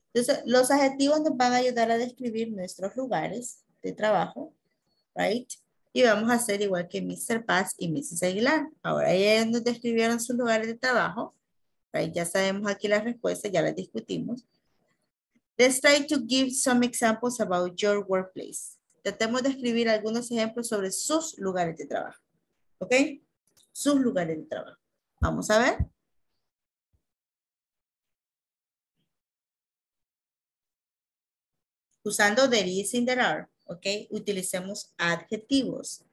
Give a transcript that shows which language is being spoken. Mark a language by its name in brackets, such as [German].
[Spanish] Entonces, los adjetivos nos van a ayudar a describir nuestros lugares de trabajo. Right? Y vamos a hacer igual que Mr. Paz y Mrs. Aguilar. Ahora ya nos describieron sus lugares de trabajo. Right? Ya sabemos aquí las respuestas, ya las discutimos. [English] Let's try to give some examples about your workplace. [Spanish] Tratemos de escribir algunos ejemplos sobre sus lugares de trabajo. ¿Ok? Sus lugares de trabajo. Vamos a ver. Usando [English] there is and there are. Ok, [Spanish] utilicemos adjetivos.